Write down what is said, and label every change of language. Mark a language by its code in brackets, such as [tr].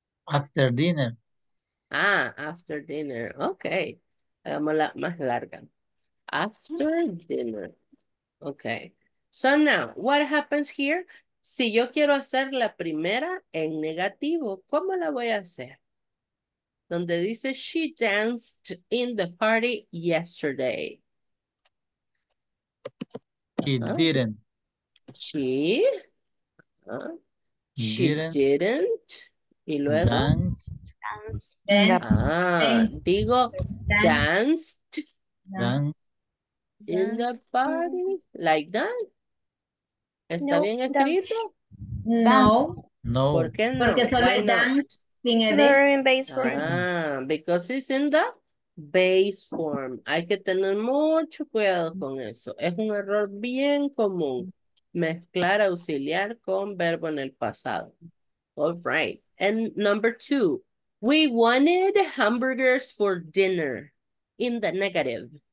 [en] After dinner. Ah, after dinner. Okay. [es] Hagámosla más larga. [en] After dinner. Okay. So now, what happens here? [es] Si yo quiero hacer la primera en negativo, ¿cómo la voy a hacer? Donde dice, [en] she danced in the party yesterday. She didn't. She didn't. [es] Y luego. [en] Danced. [es] Digo, [en] danced. Danced. In the party, like that? [es] ¿Está no, bien escrito? No. No. ¿Por qué no? Porque solo es dance sin el [en] base form. Ah, because it's in the base form. [es] Hay que tener mucho cuidado con eso. Es un error bien común mezclar auxiliar con verbo en el pasado. [en] All right. And number two, we wanted hamburgers for dinner in the negative.